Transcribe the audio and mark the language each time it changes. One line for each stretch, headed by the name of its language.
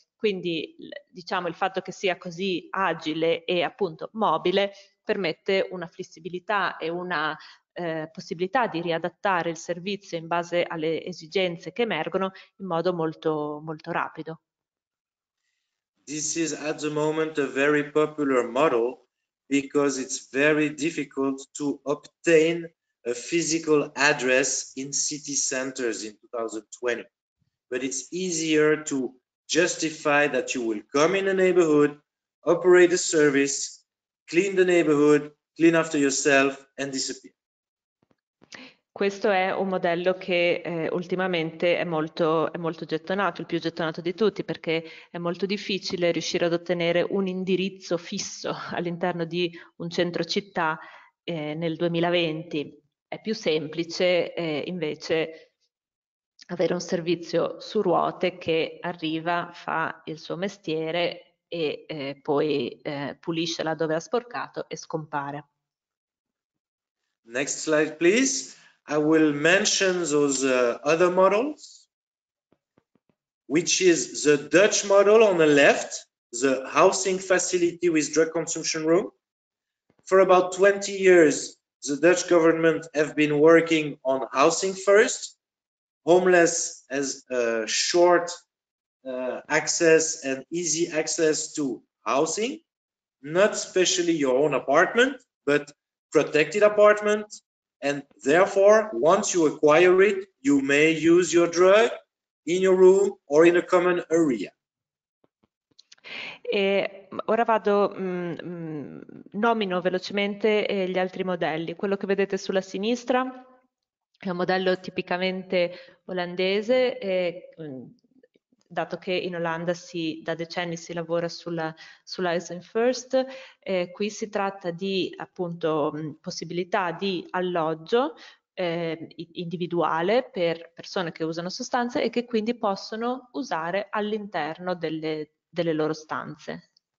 Italian: Quindi diciamo il fatto che sia così agile e appunto mobile permette una flessibilità e una possibilità di riadattare il servizio in base alle esigenze che emergono in modo molto, molto rapido.
English: This is at the moment a very popular model because it's very difficult to obtain a physical address in city centers in 2020. But it's easier to justify that you will come in a neighborhood, operate a service, clean the neighborhood, clean after yourself, and disappear.
Italian: Questo è un modello che ultimamente è molto gettonato, il più gettonato di tutti, perché è molto difficile riuscire ad ottenere un indirizzo fisso all'interno di un centro città nel 2020. È più semplice invece avere un servizio su ruote che arriva, fa il suo mestiere e poi pulisce laddove ha sporcato e scompare.
English: Next slide, please. I will mention those other models, which is the Dutch model on the left, the housing facility with drug consumption room. For about 20 years, the Dutch government have been working on housing first, homeless as a short access and easy access to housing, not specially your own apartment, but protected apartment. And therefore, once you acquire it, you may use your drug in your room or in a common area.
Italian: E ora vado, nomino velocemente gli altri modelli. Quello che vedete sulla sinistra è un modello tipicamente olandese, dato che in Olanda da decenni si lavora sulla Housing First, qui si tratta di appunto, possibilità di alloggio individuale per persone che usano sostanze e che quindi possono usare all'interno delle loro stanze.